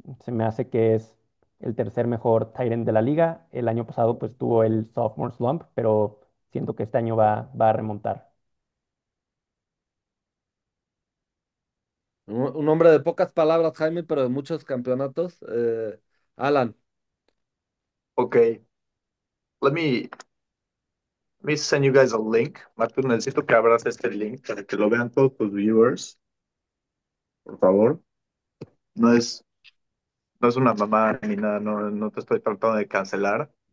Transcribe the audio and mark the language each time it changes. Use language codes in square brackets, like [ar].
[es] Se me hace que es el tercer mejor tight end de la liga. El año pasado pues tuvo el sophomore slump, pero siento que este año va a remontar. Un hombre de pocas palabras, Jaime, pero de muchos campeonatos. Alan. Ok. [en] Let me send you guys a link. [es] Martín, necesito que abras este link para que lo vean todos tus viewers. Por favor. No es una mamá ni nada. No, no te estoy tratando de cancelar.